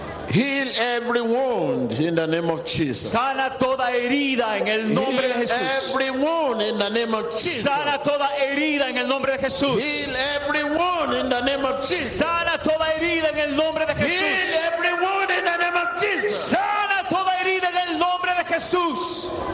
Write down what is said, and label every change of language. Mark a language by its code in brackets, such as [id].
[en] Heal every wound in the name of Jesus. [es] Sana toda herida en el nombre [en] Heal [es] de Jesús. [en] Every wound in the name of Jesus. [es] Sana toda herida en el nombre de Jesús. [en] Heal every wound in the name of Jesus. [es] Sana toda herida en el nombre de Jesús. [en] Heal every wound in the name of Jesus. [es] Sana toda herida en el nombre de Jesús.